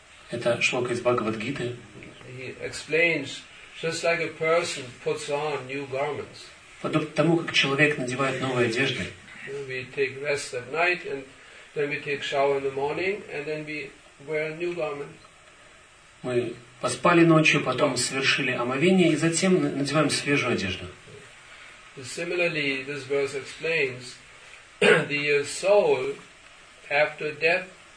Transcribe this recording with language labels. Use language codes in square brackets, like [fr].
[ru] Это шлока из Бхагавад-гиты. [en] He explains, just like a person puts on new garments. [ru] Подобно тому, как человек надевает новые одежды. [en] We take rest at night, and then we take shower in the morning, and then we wear a new garment. [ru] Мы поспали ночью, потом совершили омовение, и затем надеваем свежую одежду. [en] Similarly, this verse explains the soul after death.